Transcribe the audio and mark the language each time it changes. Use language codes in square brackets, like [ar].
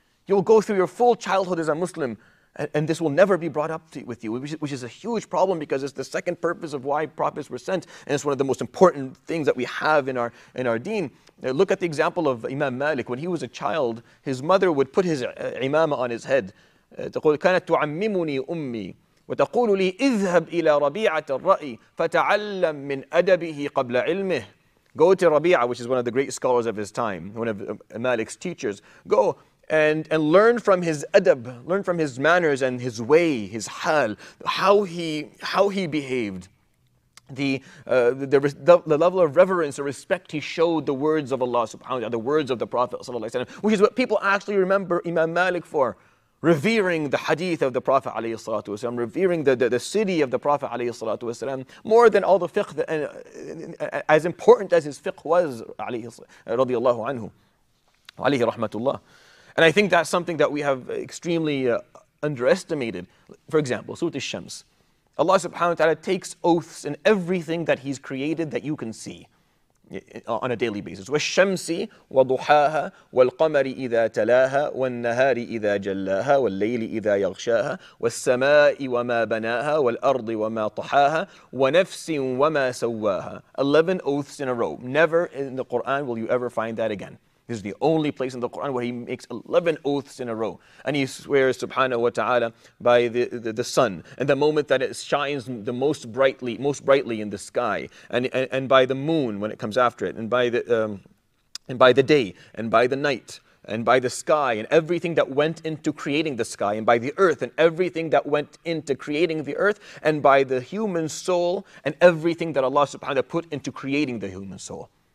[en] You'll go through your full childhood as a Muslim and this will never be brought up with you, which is a huge problem, because it's the second purpose of why prophets were sent, and it's one of the most important things that we have in our deen. Now look at the example of Imam Malik. When he was a child, his mother would put his imamah on his head. [ar] تقول كانت تعممني أمي وتقول لي اذهب إلى ربيعة الرأي فتعلم من أدبه قبل علمه. [en] Go to Rabi'ah, which is one of the great scholars of his time, one of Malik's teachers. Go and learn from his adab, learn from his manners and his way, his hal, how he behaved. The level of reverence or respect he showed the words of Allah subhanahu wa ta'ala, the words of the Prophet sallallahu alayhi wa sallam, which is what people actually remember Imam Malik for, revering the hadith of the Prophet alayhi salatu wa sallam, revering the city of the Prophet alayhi salatu wa sallam, more than all the fiqh, as important as his fiqh was, alayhi radiyallahu anhu, alayhi rahmatullah. And I think that's something that we have extremely underestimated. For example, Surah Al-Shams. Allah subhanahu wa ta'ala takes oaths in everything that He's created that you can see on a daily basis. [ar] وَالشَّمْسِ وَضُحَاهَا وَالْقَمَرِ إِذَا تَلَاهَا وَالنَّهَارِ إِذَا جَلَّاهَا وَالْلَّيْلِ إِذَا يَغْشَاهَا وَالسَّمَاءِ وَمَا بَنَاهَا وَالْأَرْضِ وَمَا طَحَاهَا وَنَفْسٍ وَمَا سَوَّاهَا [en] 11 oaths in a row. Never in the Quran will you ever find that again. This is the only place in the Quran where he makes 11 oaths in a row. And he swears, subhanahu wa ta'ala, by the sun and the moment that it shines the most brightly in the sky, and by the moon when it comes after it, and by the day, and by the night, and by the sky, and everything that went into creating the sky, and by the earth, and everything that went into creating the earth, and by the human soul, and everything that Allah subhanahu wa ta'ala put into creating the human soul.